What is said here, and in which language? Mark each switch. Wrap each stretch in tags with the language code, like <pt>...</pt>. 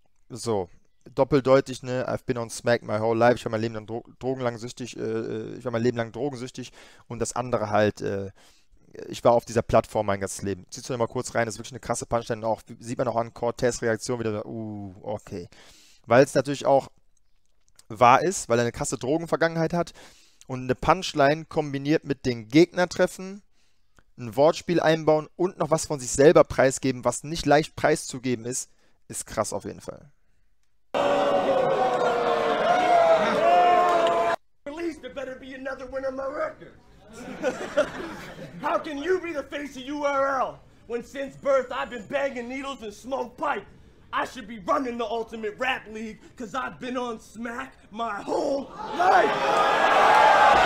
<de>So, doppeldeutig, ne?</de> <en>I've been on Smack my whole life.</en> <de>Ich war mein Leben lang drogenlangsüchtig. Ich war mein Leben lang drogensüchtig. Und das andere halt, ich war auf dieser Plattform mein ganzes Leben. Ziehst du nochmal kurz rein, das ist wirklich eine krasse Punchline. Auch, sieht man auch an Cortez-Reaktion wieder, okay. Weil es natürlich auch wahr ist, weil er eine krasse Drogenvergangenheit hat. Und eine Punchline kombiniert mit den Gegnertreffen, ein Wortspiel einbauen und noch was von sich selber preisgeben, was nicht leicht preiszugeben ist, ist krass auf jeden Fall.</de> <en>Release, there better be another one on my record. How can you be the face of URL when since birth I've been banging needles and smoke pipe? I should be running the ultimate rap league, cause I've been on Smack my whole life.</en>